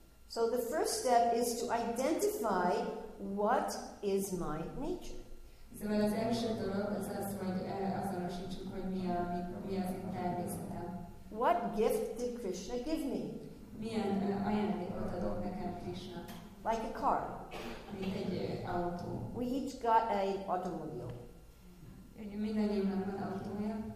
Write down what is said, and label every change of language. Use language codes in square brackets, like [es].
[en] So the first step is to identify what is my nature. So when [hu] az első dolog az az, hogy azonosítsuk, hogy mi az én természetem. [en] What gift did Krishna give me? [hu] Milyen ajándékot adott nekem Krishna? [en] Like a car. [hu] Mint egy autó. [en] We each got an automobile. [hu] Mindannyiunknak van autója.